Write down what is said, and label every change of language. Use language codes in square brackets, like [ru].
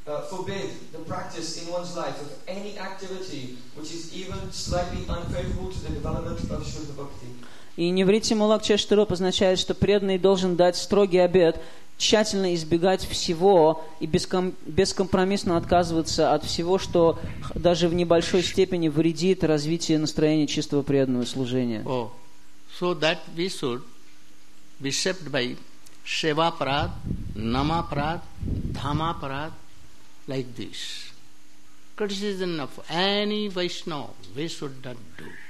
[en] Forbid the practice in one's life of any activity which is even slightly unfavorable to the development of Shuddha Bhakti. [ru] И Ниврити Мулакчешта Рупа означает, что преданный должен дать строгий обет, тщательно избегать всего и бескомпромиссно отказываться от всего, что даже в небольшой степени вредит развитию настроения чистого преданного служения. [en] Oh, so that we should be shaped by Seva Prad, Nama Prad, Dhamma Prad. Like this, criticism of any Vaishnava, we should not do.